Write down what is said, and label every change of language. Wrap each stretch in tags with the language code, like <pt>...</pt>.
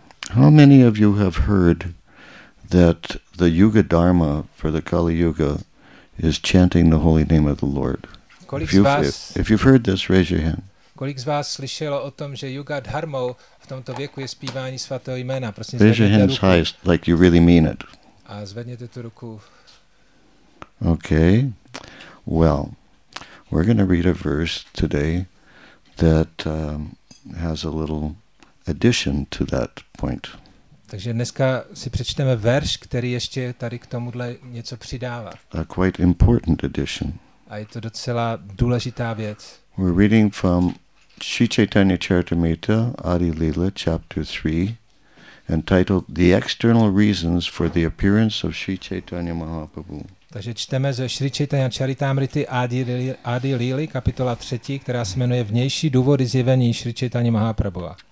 <en>How many of you have heard that the Yuga Dharma for the Kali Yuga is chanting the holy name of the Lord? If you've heard this, raise your hand.</en> <cs>Kolik z vás slyšelo o tom, že Yuga Dharmou v tomto věku je zpívání svatého jména? Prosím,</cs> <en>raise your hands high, like you really mean it.</en> <cs>A zvedněte tu ruku.</cs> <en>Okay. Well, we're going to read a verse today that has a little addition to that point.</en> <cs>Takže dneska si přečteme verš, který ještě tady k tomuhle něco přidává.</cs> <en>A quite important addition.</en> <cs>A je to docela důležitá věc.</cs> <en>We're reading from Sri Chaitanya Charitamrita, Adi Lila, chapter 3, entitled The External Reasons for the Appearance of Sri Chaitanya Mahaprabhu.</en> <cs>Takže čteme ze Sri Chaitanya Charitamrity Adi Lili, kapitola 3, která se jmenuje Vnější důvody zjevení Sri Chaitanya Mahaprabhuva.</cs>